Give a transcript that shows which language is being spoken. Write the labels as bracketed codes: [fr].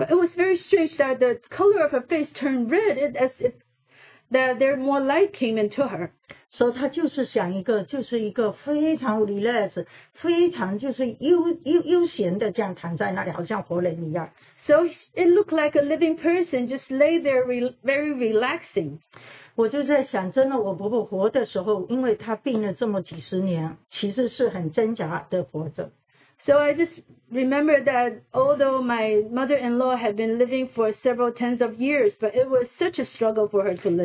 [en] But it was very strange that the color of her face turned red, as if that there more light came into her. [zh] 所以她就是想一个，就是一个非常 [en] relax， [zh] 非常就是悠闲的这样躺在那里，好像活人一样。 [en] So it looked like a living person just lay there very relaxing. [zh] 我就在想，真的，我婆婆活的时候，因为她病了这么几十年，其实是很挣扎的活着。 [en] So I just remember that although my mother-in-law had been living for several tens of years, but it was such a struggle for her to live.